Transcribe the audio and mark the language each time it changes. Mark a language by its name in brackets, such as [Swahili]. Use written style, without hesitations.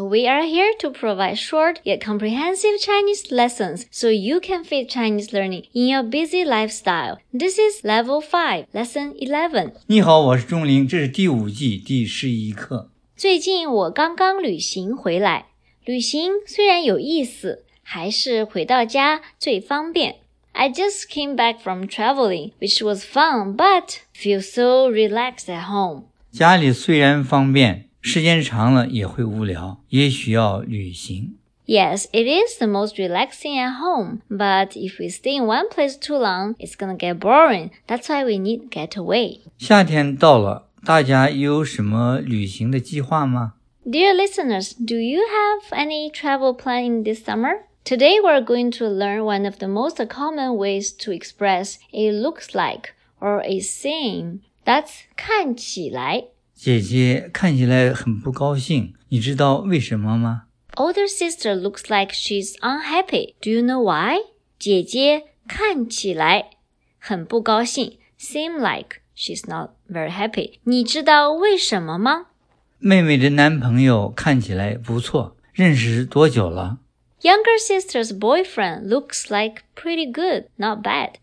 [English] We are here to provide short yet comprehensive Chinese lessons so you can fit Chinese learning in your busy lifestyle. This is Level 5, Lesson 11. [Chinese] 你好，我是钟玲，这是第五季第十一课。最近我刚刚旅行回来，旅行虽然有意思，还是回到家最方便。 [English] I just came back from traveling, which was fun, but feel so relaxed at home. [Chinese] 家里虽然方便，时间长了也会无聊，也需要旅行。 [English] Yes, it is the most relaxing at home, but if we stay in one place too long, it's gonna get boring. That's why we need getaway. [Chinese] 夏天到了，大家有什么旅行的计划吗？ [English] Dear listeners, do you have any travel plan in this summer? Today, we're going to learn one of the most common ways to express it looks like or a seem. That's 看起来。 [Chinese] 姐姐看起来很不高兴，你知道为什么吗？ [English] Older sister looks like she's unhappy. Do you know why? [Chinese] 姐姐看起来很不高兴， [English] seem like she's not very happy. [Chinese] 你知道为什么吗？妹妹的男朋友看起来不错，认识多久了？ [English] Younger sister's boyfriend looks like pretty good, not bad.